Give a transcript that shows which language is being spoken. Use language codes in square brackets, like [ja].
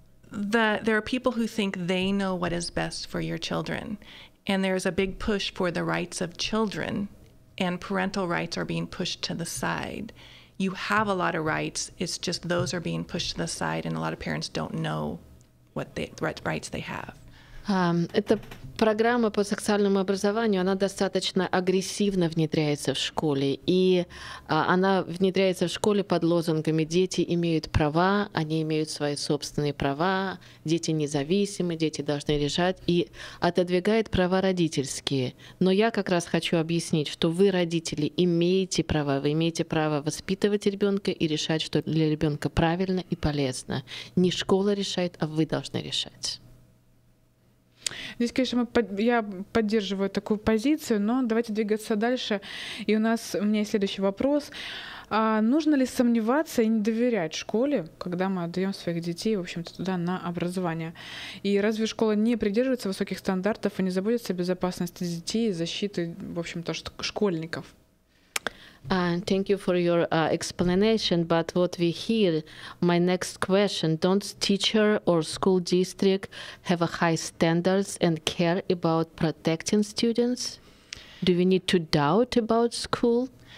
[en] There are people who think they know what is best for your children, and there is a big push for the rights of children, and parental rights are being pushed to the side. You have a lot of rights, it's just those are being pushed to the side, and a lot of parents don't know what the rights they have. [ru] Эта программа по сексуальному образованию, она достаточно агрессивно внедряется в школе, и она внедряется в школе под лозунгами «дети имеют права», «они имеют свои собственные права», «дети независимы», «дети должны решать», и отодвигает права родительские. Но я как раз хочу объяснить, что вы, родители, имеете права, вы имеете право воспитывать ребенка и решать, что для ребенка правильно и полезно. Не школа решает, а вы должны решать. Здесь, конечно, я поддерживаю такую позицию, но давайте двигаться дальше. И у меня есть следующий вопрос. А нужно ли сомневаться и не доверять школе, когда мы отдаем своих детей, в общем-то, туда на образование? И разве школа не придерживается высоких стандартов и не заботится о безопасности детей и защите, в общем-то, школьников? [en] Thank you for your explanation, but what we hear, my next question, don't teacher or school district have a high standards and care about protecting students? Do we need to doubt about school?